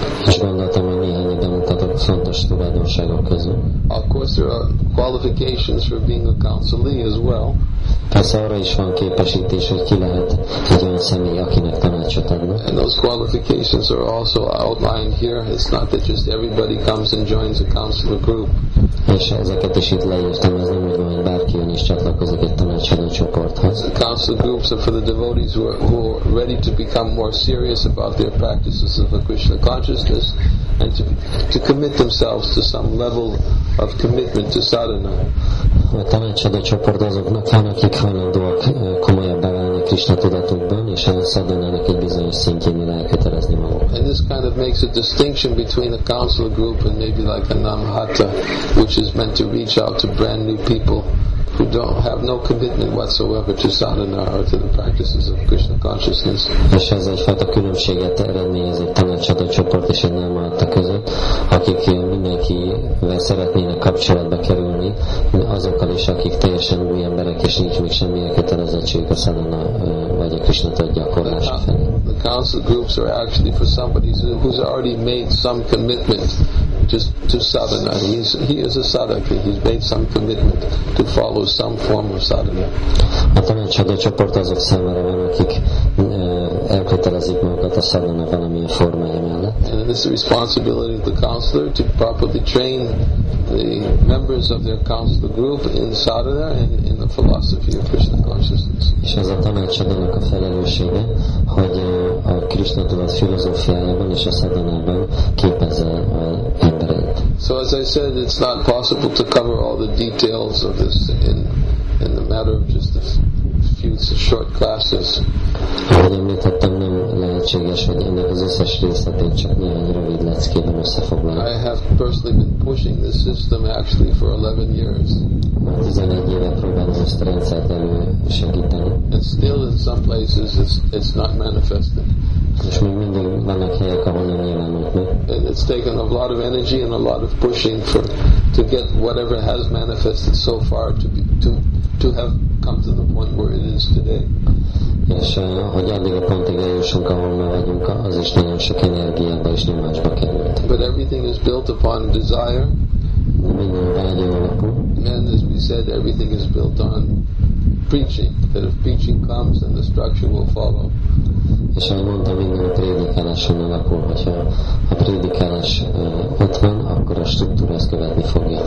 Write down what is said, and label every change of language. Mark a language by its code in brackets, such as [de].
[hu] És gondoltam, hogy néhány ide mutatok fontos tulajdonságok közül. [en] Of course there are qualifications for being a counselee as well. [hu] Persze arra is van képesítés, hogy ki lehet egy olyan személy, akinek tanácsot adnak. [en] And those qualifications are also outlined here. It's not that just everybody comes and joins a counselor group. [hu] És ezeket is itt leírtam, ez nem úgy van, hogy bárki jön és csatlakozik egy tanácsadó csoporthoz. [en] The council groups are for the devotees who are ready to become more serious about their practices of the Krishna consciousness and to commit themselves to some level of commitment to sadhana. [hu] A tanácsadó csoport azoknak van, akik hajlandóak komolyabbá válni a Krishna tudatukban, és a szadhanának egy bizonyos szintjén elkötelezni magukat. [en] And this kind of makes a distinction between a council group and maybe like a namhatta, which is meant to reach out to brand new people who don't have no commitment whatsoever to sadhana or to the practices of Krishna consciousness. [hu] És ez egyfajta különbséget eredményez egy tanácsadó csoport és egy nem adta között, akik mindenkivel szeretnének kapcsolatba kerülni, azokkal is, akik teljesen új emberek és nincs még semmilyen kötelezettség a sadhana vagy a Krishna tudat gyakorlása felé. [en] The council groups are actually for somebody who's already made some commitment to sadhana. He is a sadhaka. He's made some commitment to follow some form of sadhana. [hu] A tanácsadó csoport azok számára van, akik elkötelezik magukat a sadhana valamilyen formája mellett. [en] And it's the responsibility of the counselor to properly train the members of their council group in sadhana and in the philosophy of Krishna consciousness. [hu] És ez a tanácsadónak a felelőssége, hogy a Krishna tudat filozófiájában és a sadhanában képezze az embereit. [en] So as I said, it's not possible to cover all the details of this in the matter of just a few short classes. [hu] Ahogy említettem, nem lehetséges, hogy ennek az összes részletét csak néhány rövid leckében összefoglalni. [en] I have personally been pushing this system actually for 11 years. [hu] Már 11 éve próbálom ezt a rendszert elősegíteni. [en] And still in some places it's not manifested. [hu] És még mindig vannak helyek, ahol nem nyilvánult meg. [en] And it's taken a lot of energy and a lot of pushing to get whatever has manifested so far to have come to the point where it is today. [hu] És hogy addig a pontig eljussunk, ahol mi vagyunk, az is nagyon sok energiába és nyomásba került. [en] But everything is built upon desire. [hu] Minden vágy alapú. [en] And as we said, everything is built on preaching. That if preaching comes, then the structure will follow. [hu] És ahogy mondtam, minden a prédikáláson alapul, hogyha a prédikálás ott van, akkor a struktúra ezt követni fogja.